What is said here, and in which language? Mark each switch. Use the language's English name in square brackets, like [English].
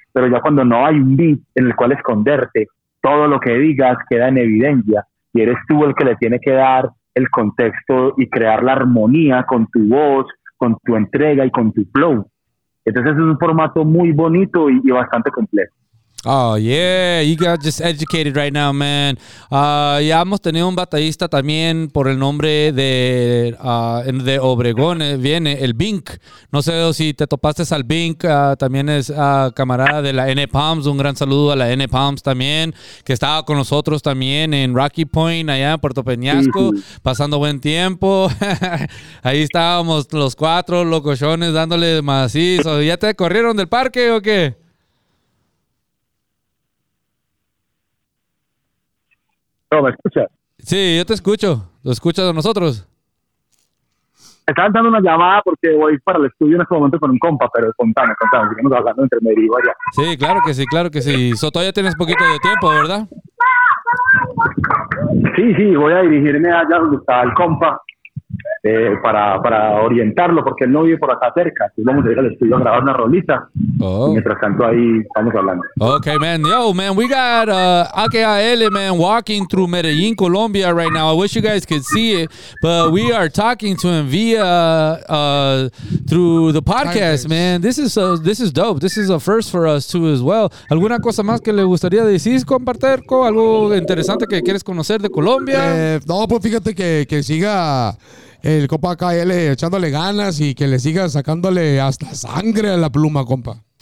[Spanish] Pero ya cuando no hay un beat en el cual esconderte, todo lo que digas queda en evidencia y eres tú el que le tiene que dar el contexto y crear la armonía con tu voz, con tu entrega y con tu flow. Entonces es un formato muy bonito y bastante complejo. [English] Oh yeah, you got just educated right now, man. [Spanish] Ya hemos tenido un batallista también por el nombre de Obregón, viene el Bink. No sé si te topaste al Bink, también es camarada de la N-Palms. Un gran saludo a la N-Palms también, que estaba con nosotros también en Rocky Point, allá en Puerto Peñasco, sí. Pasando buen tiempo. Ahí estábamos los 4 locochones dándole macizo. ¿Ya te corrieron del parque o qué? No, ¿me escuchas? Sí, yo te escucho. ¿Lo escuchas a nosotros? Estaba entrando una llamada porque voy para el estudio en este momento con un compa, pero contame, si vamos hablando entre medio y allá. Sí, claro que sí. So, todavía tienes poquito de tiempo, ¿verdad? Sí, voy a dirigirme allá donde está el compa para orientarlo, porque él no vive por acá cerca. Entonces vamos a ir al estudio a grabar una rolita. Oh. Mientras tanto, ahí estamos hablando. [English] Okay, man. Yo, man, we got AKAL, man, walking through Medellin, Colombia right now. I wish you guys could see it, but we are talking to him via through the podcast, man. This is dope. This is a first for us too as well. [Spanish] ¿Alguna cosa más que le gustaría decir, compartir con algo interesante que quieres conocer de Colombia? No, pues fíjate que siga el compa AKAL echándole ganas y que le siga sacándole hasta sangre a la pluma, compa.